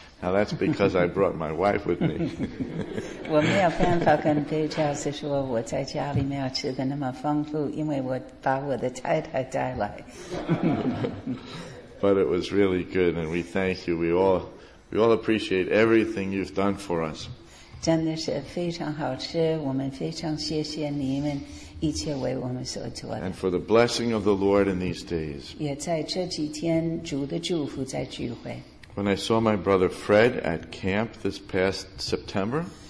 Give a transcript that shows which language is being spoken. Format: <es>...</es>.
<en>Now that's because I brought my wife with me. But it was really good, and we thank you. We all appreciate everything you've done for us.</en> <zh>真的是非常好吃，我们非常谢谢你们一切为我们所做的。</zh> <en>And for the blessing of the Lord in these days.</en> <zh>也在这几天，主的祝福在聚会。</zh> <en>When I saw my brother Fred at camp this past September.</en>